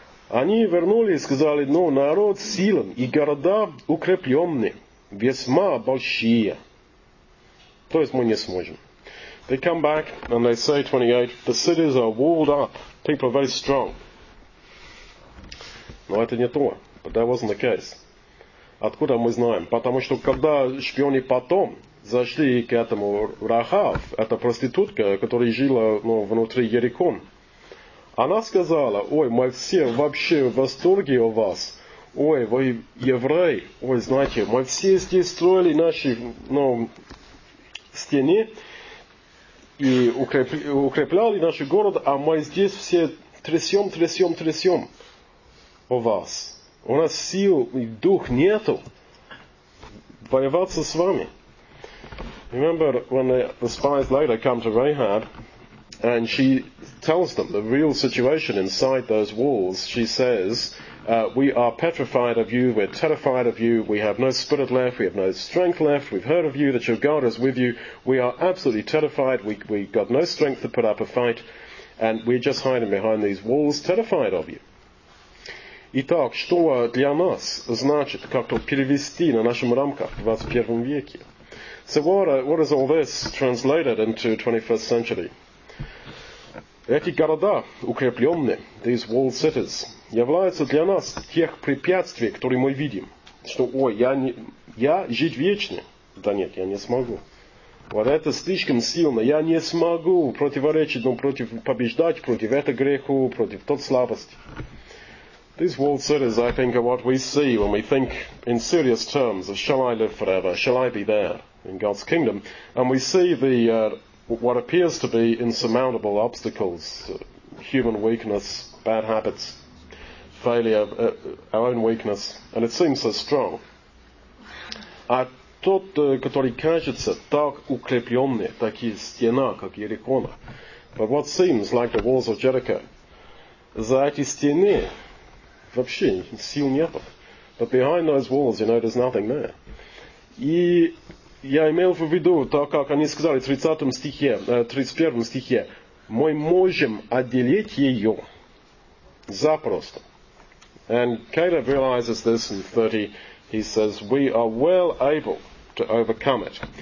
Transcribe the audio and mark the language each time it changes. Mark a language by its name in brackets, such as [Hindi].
[Russian] Они вернулись и сказали, ну, народ силен, и города укрепленные, весьма большие. То есть мы не сможем. [English] They come back and they say, 28, the cities are walled up, people are very strong. [Russian] Но это не то, [English] but that wasn't the case. [Russian] Откуда мы знаем? Потому что когда шпионы потом зашли к этому Рахав, эта проститутка, которая жила ну, внутри Ерихон, она сказала, ой, мы все вообще в восторге у вас. Ой, вы евреи. Ой, знаете, мы все здесь строили наши ну, стены и укрепляли наш город, а мы здесь все трясем у вас. У нас сил и дух нету воеваться с вами. [English] Remember when the spies later come to Rahab and she tells them the real situation inside those walls. She says, we are petrified of you, we're terrified of you, we have no spirit left, we have no strength left, we've heard of you, that your God is with you. We are absolutely terrified, we got no strength to put up a fight and we're just hiding behind these walls terrified of you. [Russian] Итак, что для нас значит как-то перевести на нашем рамках в 21 веке? [English] So what is all this translated into 21st century? [Russian] Эти города, укрепленные, [English] these walled cities, [Russian] являются для нас тех препятствий, которые мы видим. Что, ой, я жить вечно? Да нет, я не смогу. Вот это слишком сильно. Я не смогу противоречить, но против побеждать против этого греха, против тот слабости. [English] These walled cities, I think, are what we see when we think in serious terms of shall I live forever, shall I be there in God's kingdom? And we see the what appears to be insurmountable obstacles, human weakness, bad habits, failure, our own weakness, and it seems so strong. [Russian] А тот, который кажется так укреплённый, такие стены, как Ерихона, [English] but what seems like the walls of Jericho, [Russian] за эти стены вообще сил нету. [English] But behind those walls, you know, there's nothing there. [Russian] И я имел в виду, так как они сказали в 30 стихе, 31 стихе, мы можем отделить ее запросто. [English] And Caleb realizes this in 30. He says, we are well able to overcome it.